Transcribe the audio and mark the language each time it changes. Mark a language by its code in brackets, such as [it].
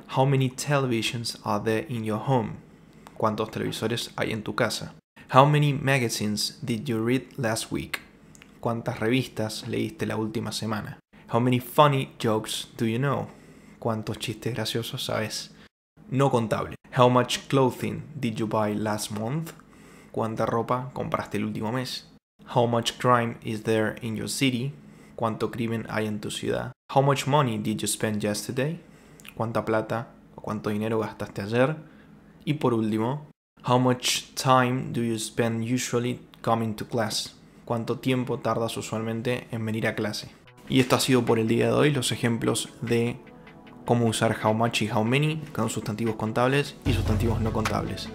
[en] How many televisions are there in your home? [es] ¿Cuántos televisores hay en tu casa? [en] How many magazines did you read last week? [es] ¿Cuántas revistas leíste la última semana? [en] How many funny jokes do you know? [es] ¿Cuántos chistes graciosos sabes? No contable. [en] How much clothing did you buy last month? [es] ¿Cuánta ropa compraste el último mes? [en] How much crime is there in your city? [es] ¿Cuánto crimen hay en tu ciudad? [en] How much money did you spend yesterday? [es] ¿Cuánta plata o cuánto dinero gastaste ayer? Y por último, [en] how much time do you spend usually coming to class? [es] ¿Cuánto tiempo tardas usualmente en venir a clase? Y esto ha sido por el día de hoy, los ejemplos de cómo usar how much y how many con sustantivos contables y sustantivos no contables.